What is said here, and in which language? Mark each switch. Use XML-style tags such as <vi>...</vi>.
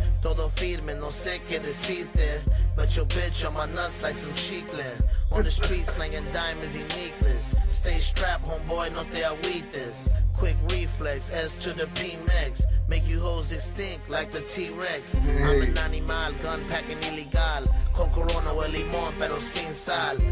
<es>Todo firme, no sé qué decirte.</es> <en>But your bitch on my nuts like some chicle. On the streets, slanging diamonds and necklaces. Stay strapped, homeboy,</en> <es>no te agüites.</es> <en>Quick reflex, S to the P-Mex. Make you hoes extinct like the T-Rex. Hey. I'm an animal, gun packing illegal.</en> <es>Con corona o limón, pero sin sal.</es>